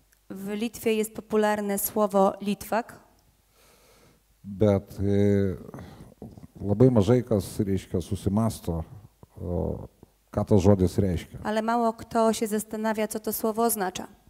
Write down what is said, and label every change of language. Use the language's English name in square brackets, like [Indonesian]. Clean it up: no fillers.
[Polish] W Litwie jest popularne słowo Litwak. [Lithuanian] Bet labai mažai kas, reiškia, susimasto, ką to žodis reiškia. [Polish] Ale mało kto się zastanawia, co to słowo oznacza.